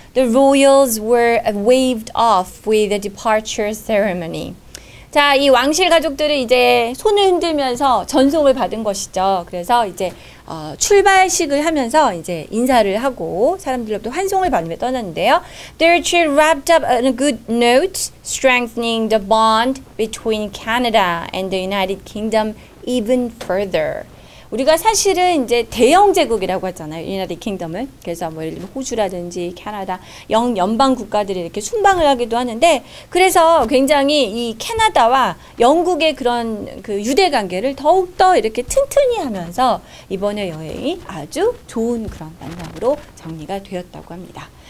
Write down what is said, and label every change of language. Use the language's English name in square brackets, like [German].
[English] The royals were waved off with a departure ceremony. [Korean] 자, 이 왕실 가족들은 이제 손을 흔들면서 전송을 받은 것이죠. 그래서 이제 출발식을 하면서 이제 인사를 하고 사람들로부터 환송을 받으며 떠났는데요. [English] Their trip wrapped up on a good note, strengthening the bond between Canada and the United Kingdom even further. [Korean] 우리가 사실은 이제 대영제국이라고 하잖아요. [English] United Kingdom을. [Korean] 그래서 뭐 예를 들면 호주라든지 캐나다, 영 연방 국가들이 이렇게 순방을 하기도 하는데 그래서 굉장히 이 캐나다와 영국의 그런 그 유대 관계를 더욱 더 이렇게 튼튼히 하면서 이번에 여행이 아주 좋은 그런 만남으로 정리가 되었다고 합니다.